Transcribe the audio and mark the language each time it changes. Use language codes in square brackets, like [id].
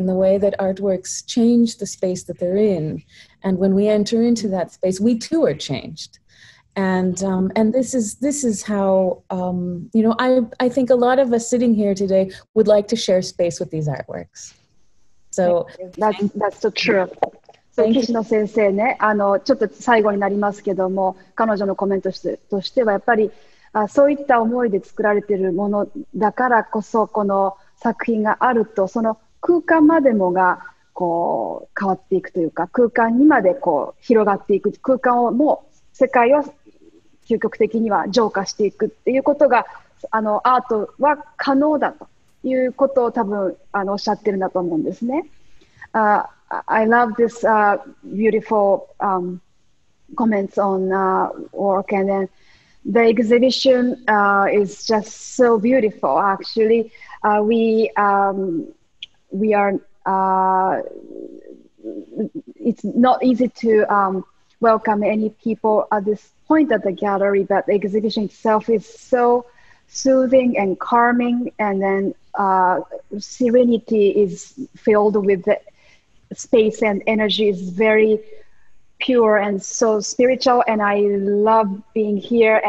[en] And the way that artworks change the space that they're in. And when we enter into that space, we too are changed. And this is how, you know, I think a lot of us sitting here today would like to share space with these artworks. So that's so true. [ja] Kishino 先生ね、ちょっと最後になりますけども、彼女のコメントとしてはやっぱりそういった思いで作られているものだからこそこの作品があると、その空間までもがこう変わっていくというか、空間にまでこう広がっていく、空間をもう世界を究極的には浄化していくっていうことが、アートは可能だということを多分おっしゃってるんだと思うんですね。 [en] I love this beautiful comments on work, and then the exhibition is just so beautiful. Actually, it's not easy to welcome any people at this point at the gallery, but the exhibition itself is so soothing and calming, and then serenity is filled with the space and energy is very pure and so spiritual, and I love being here.